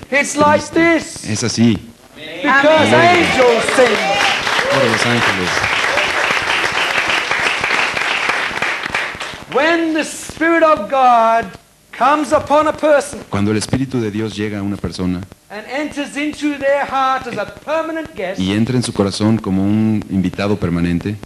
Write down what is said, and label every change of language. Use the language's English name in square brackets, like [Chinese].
[English] It's like this. [Spanish] Es así. [English] Because angels sing. [Spanish] Por los ángeles. [English] When the Spirit of God comes upon a person, [Spanish] cuando el Espíritu de Dios llega a una persona [English] and enters into their heart as a permanent guest, [Spanish] y entra en su corazón como un invitado permanente,